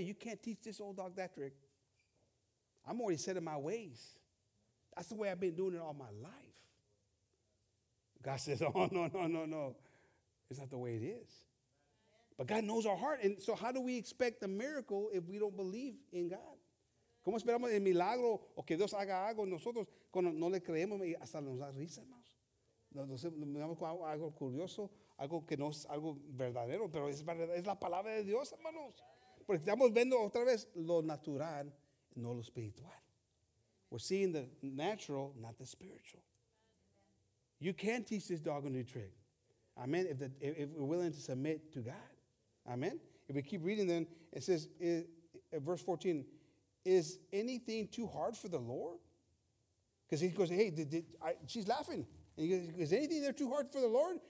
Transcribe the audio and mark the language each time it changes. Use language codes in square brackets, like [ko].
[en] You can't teach this old dog that trick. I'm already set in my ways. That's the way I've been doing it all my life. God says, oh, no. It's not the way it is. But God knows our heart. And so how do we expect a miracle if we don't believe in God? [es] ¿Cómo esperamos el milagro o que Dios haga algo en nosotros cuando no le creemos y hasta nos da risa, hermanos? Nos miramos con algo curioso, algo que no es algo verdadero, pero es la palabra de Dios, hermanos. Porque estamos viendo otra vez lo natural, no lo espiritual. [en] We're seeing the natural, not the spiritual. You can't teach this dog a new trick. Amen. If we're willing to submit to God. Amen. If we keep reading, then it says, verse 14, is anything too hard for the Lord? Because he goes, hey, she's laughing. And he goes, is anything there too hard for the Lord?